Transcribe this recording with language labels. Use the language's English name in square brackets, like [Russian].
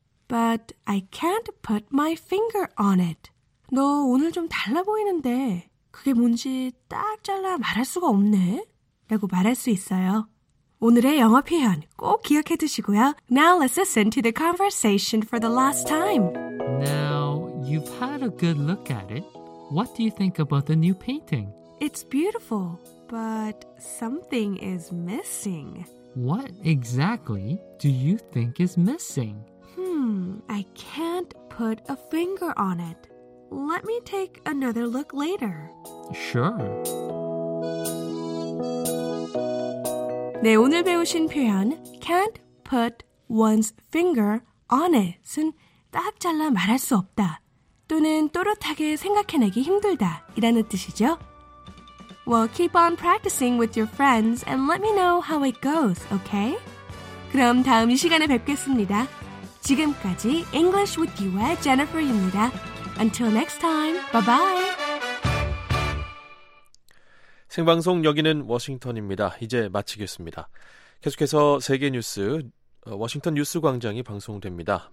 [English] But I can't put my finger on it. [Korean] 너 오늘 좀 달라 보이는데 그게 뭔지 딱 잘라 말할 수가 없네. 라고 말할 수 있어요. 오늘의 영어 표현 꼭 기억해 두시고요. [English] Now let's listen to the conversation for the last time. Now, you've had a good look at it. What do you think about the new painting? It's beautiful, but something is missing. What exactly do you think is missing? I can't put a finger on it. Let me take another look later. Sure. [Korean] 네, 오늘 배우신 표현 [English] can't put one's finger on it [Korean] 은 딱 잘라 말할 수 없다 또는 또렷하게 생각해내기 힘들다 이라는 뜻이죠. [English] Well, keep on practicing with your friends and let me know how it goes, okay? [Korean] 그럼 다음 이 시간에 뵙겠습니다. 지금까지 English with you의 Jennifer입니다. [English] Until next time, bye-bye. [Korean] 생방송 여기는 워싱턴입니다. 이제 마치겠습니다. 계속해서 세계 뉴스, 워싱턴 뉴스 광장이 방송됩니다.